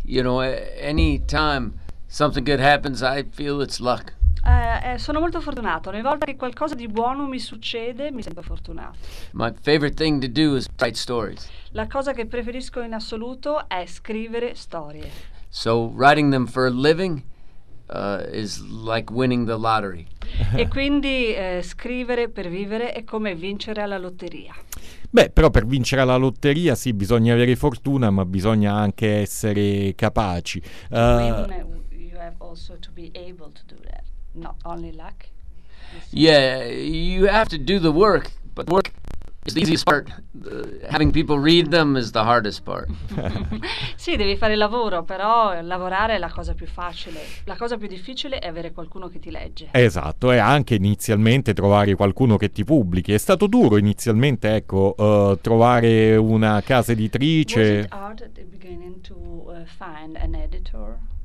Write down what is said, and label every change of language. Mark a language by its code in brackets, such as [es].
[en] Any time something good happens, I feel it's luck. [it] Sono molto fortunato. Ogni volta che qualcosa di buono mi succede, mi sento fortunato. [en] My favorite thing to do is write stories. [it] La cosa che preferisco in assoluto è scrivere storie. [en] So writing them for a living, is like winning the lottery. [it] E quindi scrivere per vivere è come vincere alla lotteria. Beh, però per vincere la lotteria sì, bisogna avere fortuna, ma bisogna anche essere capaci. [en] To win, you have also to be able to do that. Not only luck, you say. Yeah, you have to do the work, but work is the easiest part. Having people read them is the hardest part. [it] Sì, devi fare lavoro, però lavorare è la cosa più facile. La cosa più difficile è avere qualcuno che ti legge. Esatto, e anche inizialmente trovare qualcuno che ti pubblichi. È stato duro inizialmente, ecco, trovare una casa [en] Was it [it] editrice. [en] hard at the beginning to find an editor?